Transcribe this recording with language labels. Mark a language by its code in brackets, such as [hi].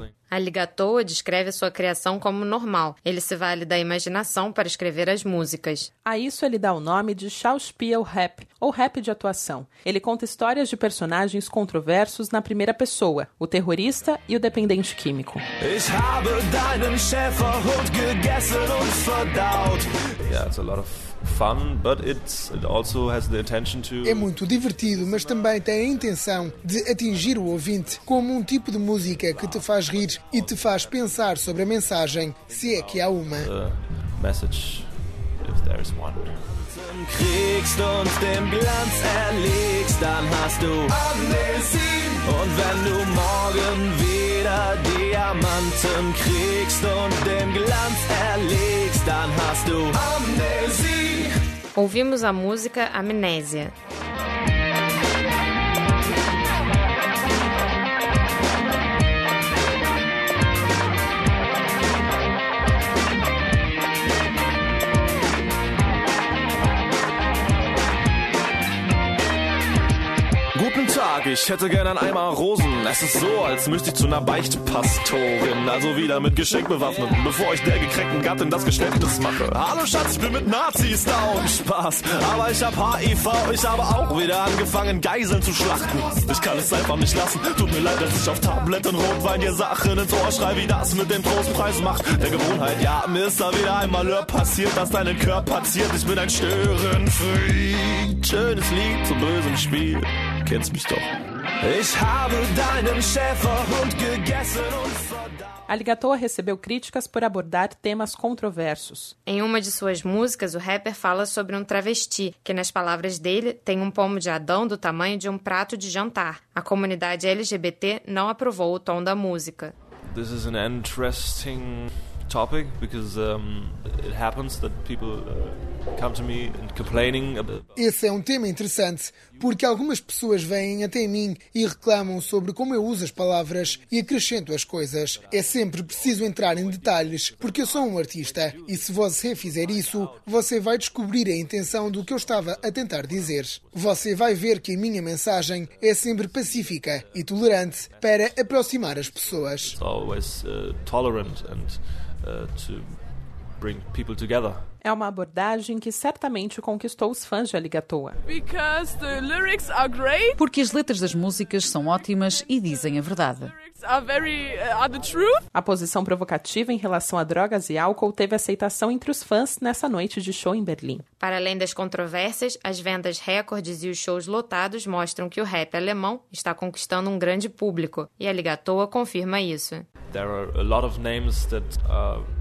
[pt] Alligatoa descreve a sua criação como normal. Ele se vale da imaginação para escrever as músicas. A isso ele dá o nome de Schauspiel Rap, ou rap de atuação. Ele conta histórias de personagens controversos na primeira pessoa, o terrorista e o dependente químico. [de] Ich habe deinen Schäferhund gegessen und verdaut. [en] Yeah, it's a lot of fun, but it also has the intention to... [pt] É muito divertido, mas também tem a intenção de atingir o ouvinte como um tipo de música que te faz rir e te faz pensar sobre a mensagem, se é que há uma. [en] The message, if there is one. [de] Kriegst uns den Glanz erlegst, dann hast du Amnesie. Und wenn du morgen wieder Diamanten kriegst und den Glanz erlegst, dann hast du Amnesie. [pt] Ouvimos a música Amnésia. [de] Ich hätte gern ein Eimer Rosen. Es ist so, als müsste ich zu einer Beichtpastorin. Also wieder mit Geschenk bewaffnet, bevor ich der gekränkten Gattin das Geständnis mache. Hallo Schatz, ich bin mit Nazis down. Spaß, aber ich hab HIV. Ich habe auch wieder angefangen, Geiseln zu schlachten. Ich kann es einfach nicht lassen. Tut mir leid, dass ich auf Tabletten Rotwein dir Sachen ins Ohr schrei, wie das mit dem Trostpreis macht. Der Gewohnheit, ja, mir ist da wieder ein Malheur passiert, dass deinen Körper ziert. Ich bin ein Störenfried. Schönes Lied zum bösen Spiel. Kennst mich doch. Ich habe deinen Schäferhund gegessen und [pt] Alligatoa recebeu críticas por abordar temas controversos. Em uma de suas músicas, o rapper fala sobre um travesti, que, nas palavras dele, tem um pomo de Adão do tamanho de um prato de jantar. A comunidade LGBT não aprovou o tom da música. [en] This is an interesting topic because it happens that people come to me and complaining about... [pt] Esse é um tema interessante, porque algumas pessoas vêm até mim e reclamam sobre como eu uso as palavras e acrescento as coisas. É sempre preciso entrar em detalhes, porque eu sou um artista, e se você fizer isso, você vai descobrir a intenção do que eu estava a tentar dizer. Você vai ver que a minha mensagem é sempre pacífica e tolerante para aproximar as pessoas. [en] It's always tolerant and to bring people together. [pt] É uma abordagem que certamente conquistou os fãs de Alligatoa. [en] Because the lyrics are great. [pt] Porque as letras das músicas são ótimas e dizem a verdade. [en] Are the truth. [pt] A posição provocativa em relação a drogas e álcool teve aceitação entre os fãs nessa noite de show em Berlim. Para além das controvérsias, as vendas recordes e os shows lotados mostram que o rap alemão está conquistando um grande público. E Alligatoa confirma isso. [en] There are a lot of names that are...